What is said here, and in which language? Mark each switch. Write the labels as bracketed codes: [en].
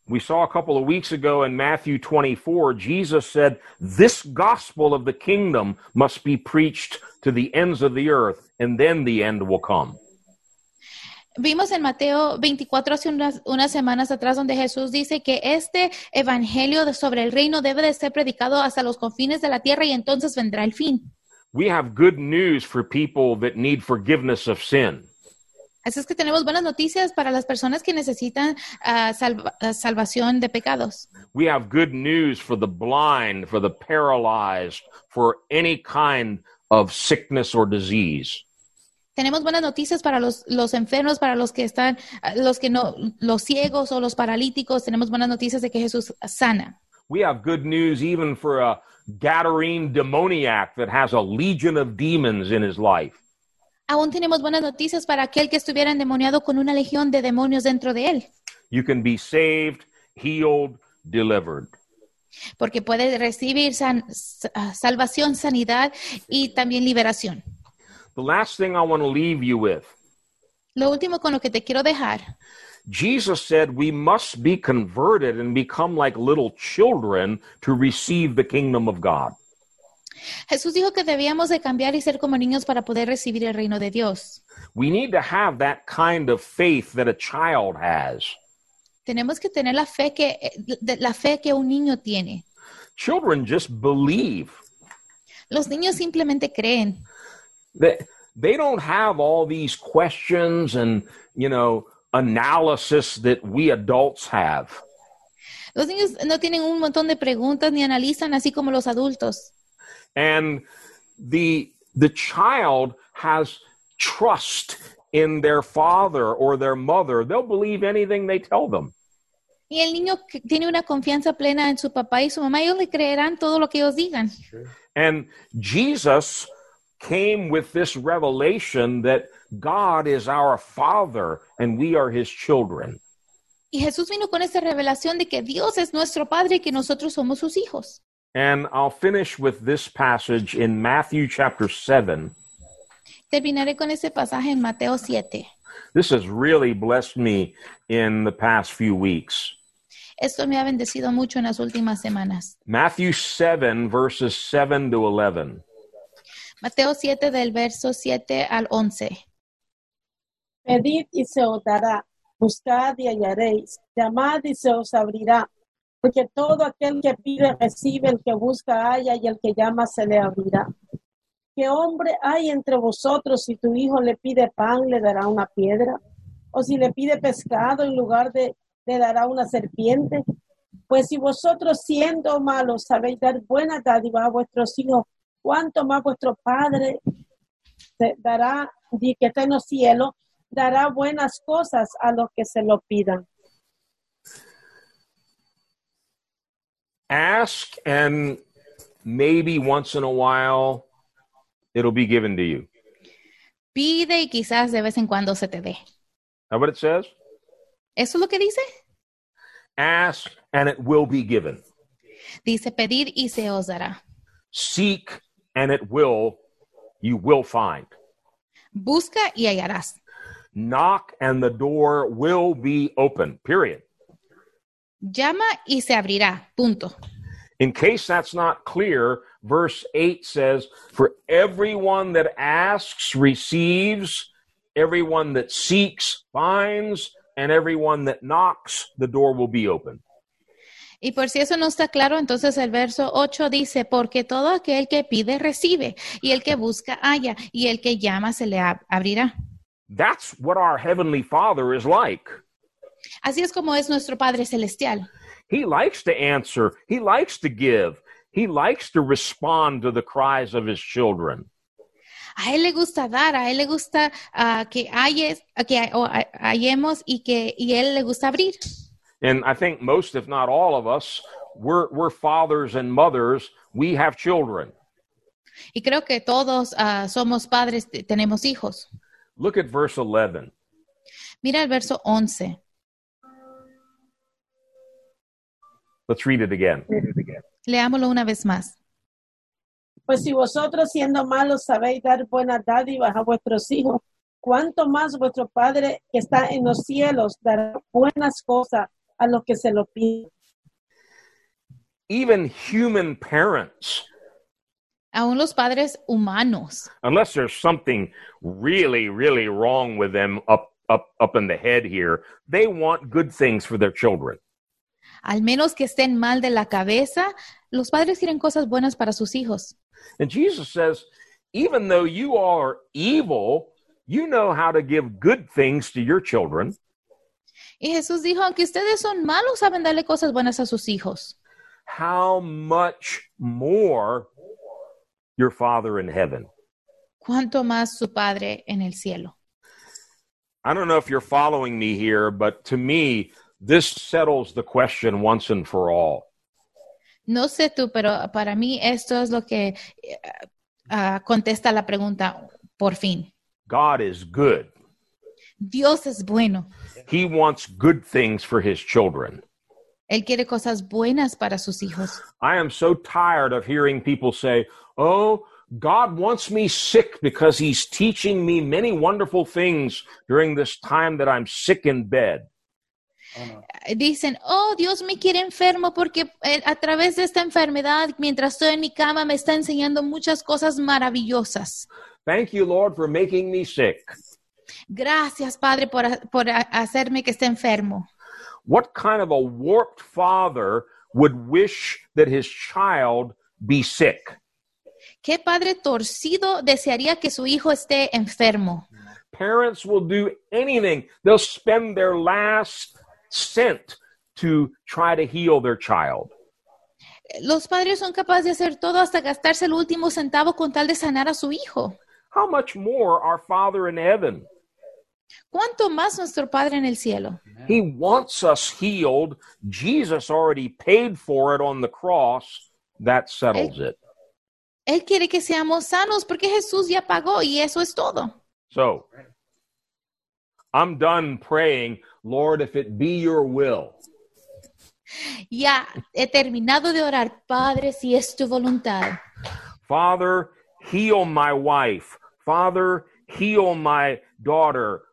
[en] We saw a couple of weeks ago in Matthew 24, Jesus said, "This gospel of the kingdom must be preached to the ends of the earth, and then the end will come." [es] Vimos en Mateo 24 hace unas semanas atrás donde Jesús dice que este evangelio sobre el reino debe de ser predicado hasta los confines de la tierra y entonces vendrá el fin. [en] We have good news for people that need forgiveness of sin. [es] Así es que tenemos buenas noticias para las personas que necesitan salvación de pecados. [en] We have good news for the blind, for the paralyzed, for any kind of sickness or disease. [es] Tenemos buenas noticias para los enfermos, para los que están, los que no, los ciegos o los paralíticos. Tenemos buenas noticias de que Jesús sana. [en] We have good news even for a Gadarene demoniac that has a legion of demons in his life. [es] Aún tenemos buenas noticias para aquel que estuviera endemoniado con una legión de demonios dentro de él. [en] You can be saved, healed, delivered. [es] Porque puede recibir salvación, sanidad y también liberación. [en] The last thing I want to leave you with. [es] Lo último con lo que te quiero dejar. [en] Jesus said we must be converted and become like little children to receive the kingdom of God. [es] Jesús dijo que debíamos de cambiar y ser como niños para poder recibir el reino de Dios. [en] We need to have that kind of faith that a child has. [es] Tenemos que tener la fe que un niño tiene. [en] Children just believe. [es] Los niños simplemente creen. [en] They don't have all these questions and, you know, analysis that we adults have. [es] Los niños no tienen un montón de preguntas ni analizan así como los adultos. [en] And the child has trust in their father or their mother. They'll believe anything they tell them. [es] Y el niño tiene una confianza plena en su papá y su mamá. Ellos le creerán todo lo que ellos digan. [en] And Jesus came with this revelation that God is our father and we are his children. [es] Y Jesús vino con esta revelación de que Dios es nuestro padre y que nosotros somos sus hijos. [en] And I'll finish with this passage in Matthew chapter 7. [es] Terminaré con ese pasaje en Mateo 7. [en] This has really blessed me in the past few weeks. [es] Esto me ha bendecido mucho en las últimas semanas. [en] Matthew 7, verses 7 to 11. [es] Mateo 7, del verso 7 al 11. Pedid y se os dará. Buscad y hallaréis. Llamad y se os abrirá. Porque todo aquel que pide, recibe, el que busca, halla, y el que llama, se le abrirá. ¿Qué hombre hay entre vosotros si tu hijo le pide pan, le dará una piedra? ¿O si le pide pescado, en lugar de, le dará una serpiente? Pues si vosotros, siendo malos, sabéis dar buena dádiva a vuestros hijos, ¿cuánto más vuestro Padre dará, que está en los cielos, dará buenas cosas a los que se lo pidan? [en] Ask and maybe once in a while it'll be given to you. [es] Pide y quizás de vez en cuando se te dé. [en] Is that what it says? [es] ¿Eso es lo que dice? [en] Ask and it will be given. [es] Dice pedir y se os dará. [en] Seek and it will, you will find. [es] Busca y hallarás. [en] Knock and the door will be open, period. [es] Llama y se abrirá. Punto. [en] In case that's not clear, verse 8 says, for everyone that asks receives, everyone that seeks finds, and everyone that knocks, the door will be open. [es] Y por si eso no está claro, entonces el verso 8 dice, porque todo aquel que pide recibe, y el que busca halla, y el que llama se le abrirá. [en] That's what our Heavenly Father is like. [es] Así es como es nuestro Padre Celestial. [en] He likes to answer. He likes to give. He likes to respond to the cries of his children. [es] A él le gusta dar. A él le gusta que hallemos y él le gusta abrir. [en] And I think most, if not all of us, we're fathers and mothers. We have children. [es] Y creo que todos somos padres, tenemos hijos. [en] Look at verse 11. [es] Mira el verso 11. [en] Let's read it again. [es] Leámoslo una vez más. Pues si vosotros siendo malos sabéis dar buenas dádivas a vuestros hijos, ¿cuánto más vuestro Padre que está en los cielos dará buenas cosas a los que se lo piden? [en] Even human parents. [es] Aún los padres humanos. [en] Unless there's something really, really wrong with them up in the head here. They want good things for their children. [es] Al menos que estén mal de la cabeza, los padres quieren cosas buenas para sus hijos. [en] And Jesus says, even though you are evil, you know how to give good things to your children. [es] Y Jesús dijo, aunque ustedes son malos, saben darle cosas buenas a sus hijos. [en] How much more your Father in heaven. [es] ¿Cuánto más su Padre en el cielo? [en] I don't know if you're following me here, but to me, this settles the question once and for all. [es] No sé tú, pero para mí esto es lo que contesta la pregunta por fin. [en] God is good. [es] Dios es bueno. [en] He wants good things for his children. [es] Él quiere cosas buenas para sus hijos. [en] I am so tired of hearing people say, oh, God wants me sick because he's teaching me many wonderful things during this time that I'm sick in bed. [es] Dicen, oh, Dios me quiere enfermo porque a través de esta enfermedad, mientras estoy en mi cama, me está enseñando muchas cosas maravillosas. [en] Thank you, Lord, for making me sick. [es] Gracias, Padre, por hacerme que esté enfermo. [en] What kind of a warped father would wish that his child be sick? [es] ¿Qué padre torcido desearía que su hijo esté enfermo? [en] Parents will do anything. They'll spend their last cent to try to heal their child. [es] Los padres son capaces de hacer todo hasta gastarse el último centavo con tal de sanar a su hijo. [en] How much more our Father in heaven? [es] ¿Cuánto más nuestro Padre en el cielo? [en] He wants us healed. Jesus already paid for it on the cross. That settles it. [es] Él quiere que seamos sanos porque Jesús ya pagó y eso es todo. [en] So, I'm done praying, Lord, if it be your will. [es] Ya he terminado de orar, Padre, si es tu voluntad. [en] Father, heal my wife. Father, heal my daughter.